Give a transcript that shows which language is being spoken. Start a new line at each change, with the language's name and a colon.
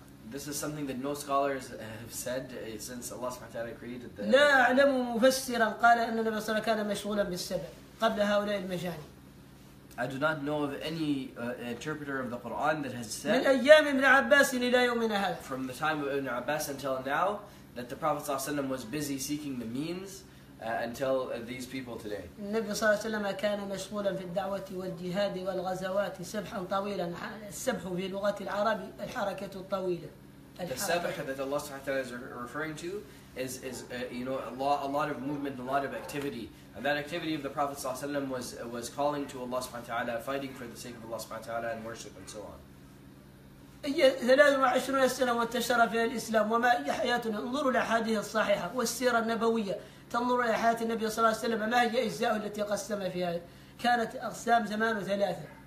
English: This is something that no scholars have said since Allah subhanahu wa ta'ala created the...
Arabic: لا أعلم مفسرا قال أن النبي صلى الله عليه وسلم كان مشغولا بالسبع قبل هؤلاء المجاني.
English: I do not know of any interpreter of the Quran that has said
Arabic: من أيام ابن عباس إلى يومنا هذا.
English: From the time of Ibn Abbas until now, that the Prophet صلى الله عليه وسلم was busy seeking the means until these people today.
Arabic: النبي صلى الله عليه وسلم كان مشغولا في الدعوة والجهاد والغزوات سبحا طويلا. السبح في لغة العربي الحركة الطويلة.
English: The sabah that Allah subhanahu wa ta'ala is referring to is you know, a lot of movement, a lot of activity. And that activity of the Prophet sallallahu alaihi wasallam was calling to Allah subhanahu wa ta'ala, fighting for the sake of Allah subhanahu wa ta'ala and worship and so on.
Arabic: 23 سنه وانتشر في الاسلام وما هي حياتنا انظروا لحديث الصحيحه والسيره النبويه تنظروا الى حياه النبي صلى الله عليه وسلم ما هي الاجزاء التي قسم فيها كانت اقسام زمان ثلاثه